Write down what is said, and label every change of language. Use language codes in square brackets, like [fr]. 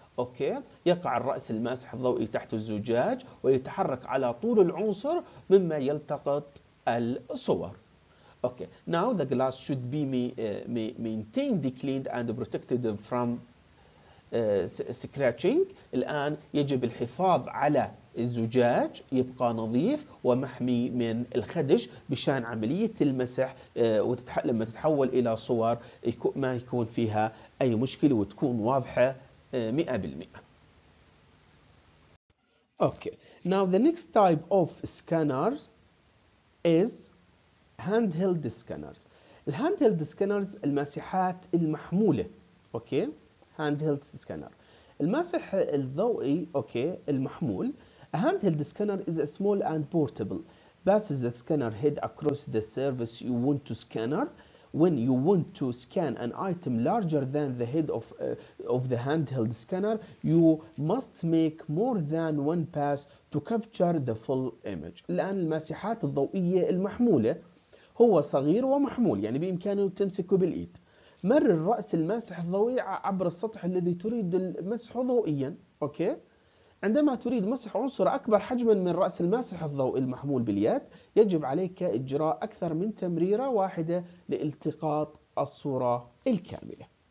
[ar] اوكي، يقع الرأس الماسح الضوئي تحت الزجاج ويتحرك على طول العنصر مما يلتقط الصور. [en] Okay, now the glass should be maintained cleaned and protected from scratching. [ar] الآن يجب الحفاظ على الزجاج، يبقى نظيف ومحمي من الخدش بشان عملية المسح لما تتحول إلى صور ما يكون فيها أي مشكلة وتكون واضحة 100%. [en] Okay, now the next type of scanners is handheld scanners. [ar] الـ handheld scanners الماسحات المحمولة. [en] Okay, handheld scanner. [ar] الماسح الضوئي okay المحمول. [en] A handheld scanner is a small and portable. Passes the scanner head across the surface you want to scanner. When you want to scan an item larger than the head of the handheld scanner, you must make more than one pass to capture the full image. [ar] الآن الماسحات الضوئية المحمولة هو صغير ومحمول، يعني بإمكانه تمسكه بالإيد. مرر رأس الماسح الضوئي عبر السطح الذي تريد مسحه ضوئياً. أوكي؟ عندما تريد مسح عنصر أكبر حجماً من رأس الماسح الضوئي المحمول باليد، يجب عليك إجراء أكثر من تمريرة واحدة لالتقاط الصورة الكاملة.